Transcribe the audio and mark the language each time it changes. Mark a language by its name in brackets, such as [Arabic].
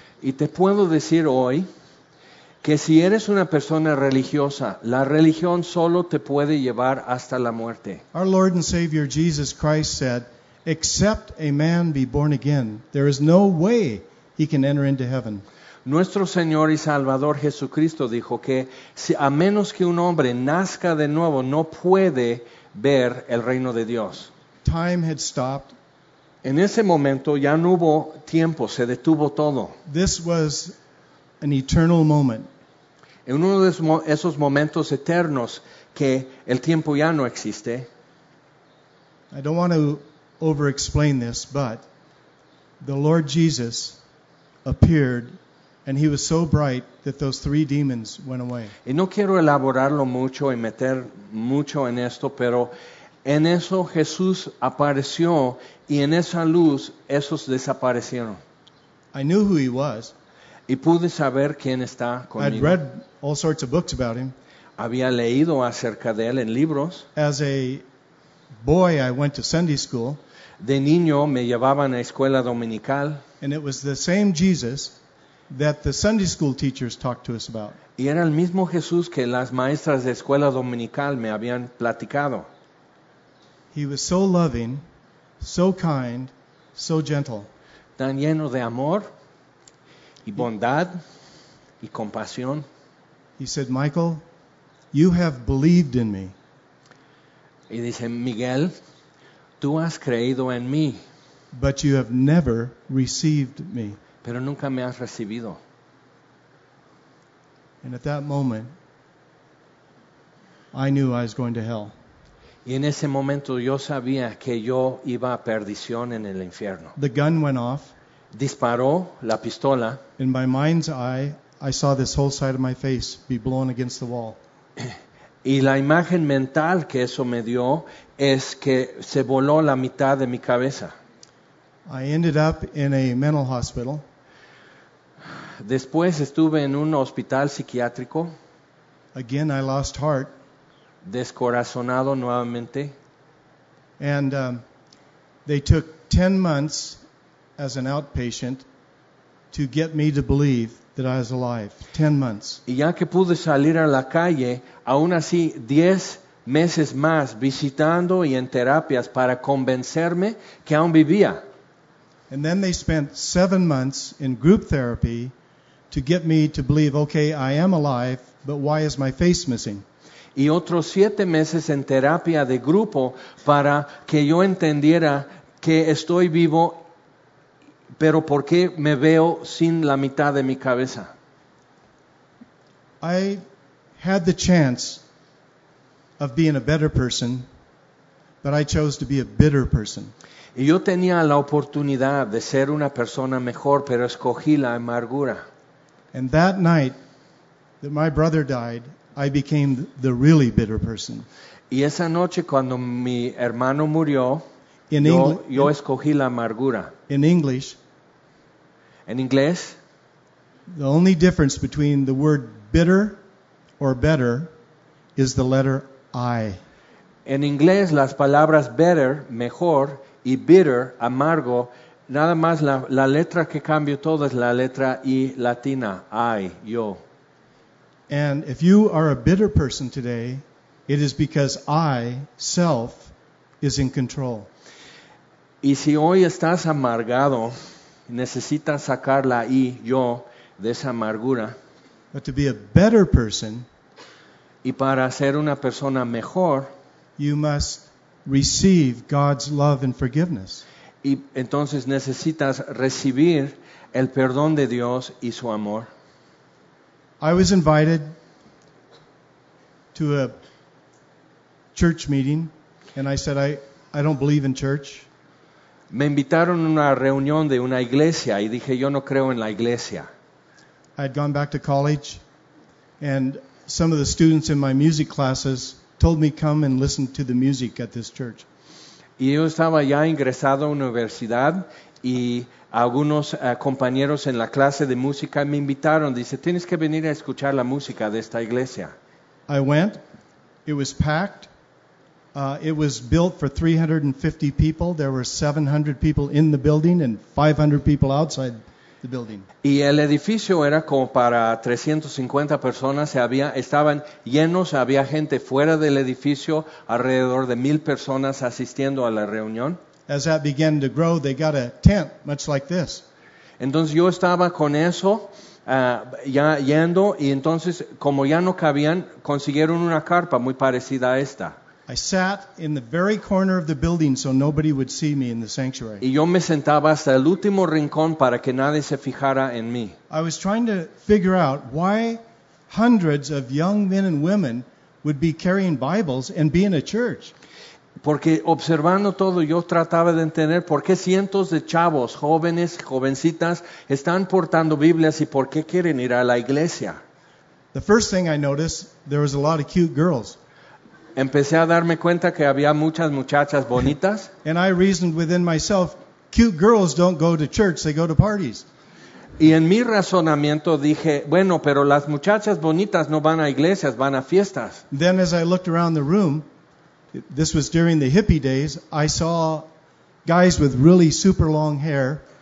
[Spanish] Y te puedo decir hoy que si eres una persona religiosa, la religión solo te puede llevar hasta la muerte. [English] Our Lord and Savior Jesus Christ said, "Except a man be born again, there is no way he can enter into heaven." [Spanish] Nuestro Señor y Salvador Jesucristo dijo que si, a menos que un hombre nazca de nuevo, no puede ver el reino de Dios. [English] Time had stopped. [Spanish] En ese momento ya no hubo tiempo, se detuvo todo. [English] This was an eternal moment. [Spanish] En uno de esos momentos eternos que el tiempo ya no existe. [English] I don't want to over-explain this, but the Lord Jesus appeared and he was so bright that those three demons went away. [Spanish] Y no quiero elaborarlo mucho y meter mucho en esto, pero en eso Jesús apareció y en esa luz esos desaparecieron. [English] I knew who he was. [Spanish] Y pude saber quién está conmigo. [English] I'd read all sorts of books about him. [Spanish] Había leído acerca de él en libros. [English] As a boy, I went to Sunday school. [Spanish] De niño me llevaban a escuela dominical. [English] And it was the same Jesus that the Sunday school teachers talked to us about. [Spanish] Y era el mismo Jesús que las maestras de escuela dominical me habían platicado. [English] He was so loving, so kind, so gentle. [Spanish] Tan lleno de amor y bondad y compasión. [English] He said, Michael, you have believed in me. [Spanish] Y dice, Miguel, tú has creído en mí. [English] But you have never received me. [Spanish] Pero nunca me has recibido. [English] And at that moment, I knew I was going to hell. [Spanish] Y en ese momento yo sabía que yo iba a perdición en el infierno. [English] The gun went off. [Spanish] Disparó la pistola. [English] In my mind's eye, I saw this whole side of my face be blown against the wall. [Spanish] Y la imagen mental que eso me dio es que se voló la mitad de mi cabeza. [English] I ended up in a mental hospital. [Spanish] Después estuve en un hospital psiquiátrico. [English] Again, I lost heart. [Spanish] Descorazonado nuevamente. [English] And they took 10 months as an outpatient to get me to believe that I was alive. 10 months. [Spanish] Y ya que pude salir a la calle, aún así 10 meses más visitando y en terapias para convencerme que aún vivía. [English] And then they spent 7 months in group therapy to get me to believe, okay, I am alive, but why is my face missing? [Spanish] Y otros 7 meses en terapia de grupo para que yo entendiera que estoy vivo, pero ¿por qué me veo sin la mitad de mi cabeza? [English] I had the chance of being a better person, but I chose to be a bitter person. [Spanish] Y yo tenía la oportunidad de ser una persona mejor, pero escogí la amargura. [English] And that night that my brother died, I became the really bitter person. [Spanish] Y esa noche cuando mi hermano murió, yo escogí la amargura. [English] In English. [Spanish] En inglés. [English] The only difference between the word bitter or better is the letter I. [Spanish] En inglés las palabras better, mejor, y bitter, amargo, nada más la letra que cambio todo es la letra I latina, I, yo. [English] And if you are a bitter person today, it is because I, self, is in control. [Spanish] Y si hoy estás amargado, necesitas sacar la I, yo, de esa amargura. [English] But to be a better person, [Spanish] y para ser una persona mejor, [English] you must receive God's love and forgiveness. [Spanish] Y entonces necesitas recibir el perdón de Dios y su amor. [English] I was invited to a church meeting, and I said, I don't believe in church. [Spanish] Me invitaron a una reunión de una iglesia, y dije, yo no creo en la iglesia. [English] I had gone back to college, and some of the students in my music classes told me, come and listen to the music at this church. [Spanish] Y yo estaba ya ingresado a universidad, y algunos compañeros en la clase de música me invitaron. Dice, tienes que venir a escuchar la música de esta iglesia. [English] I went. It was packed. It was built for 350 people. There were 700 people in the building and 500 people outside the building. [Spanish] Y el edificio era como para 350 personas. Estaban llenos. Había gente fuera del edificio, alrededor de 1,000 personas asistiendo a la reunión. [English] As that began to grow, they got a tent much like this. [Spanish] Entonces yo estaba con eso ya yendo, y entonces como ya no cabían, consiguieron una carpa muy parecida a esta. [English] I sat in the very corner of the building so nobody would see me in the sanctuary. [Spanish] Y yo me sentaba hasta el último rincón para que nadie se fijara en mí. [English] I was trying to figure out why hundreds of young men and women would be carrying Bibles and be in a church. [Spanish] Porque observando todo, yo trataba de entender por qué cientos de chavos, jóvenes, jovencitas, están portando Biblias y por qué quieren ir a la iglesia. [English] The first thing I noticed, there was a lot of cute girls. [Spanish] Empecé a darme cuenta que había muchas muchachas bonitas. [English] And I reasoned within myself, cute girls don't go to church, they go to parties. [Spanish] Y en mi razonamiento dije, bueno, pero las muchachas bonitas no van a iglesias, van a fiestas. [English] Then as I looked around the room, this was during the hippie days, I saw guys with really super long hair.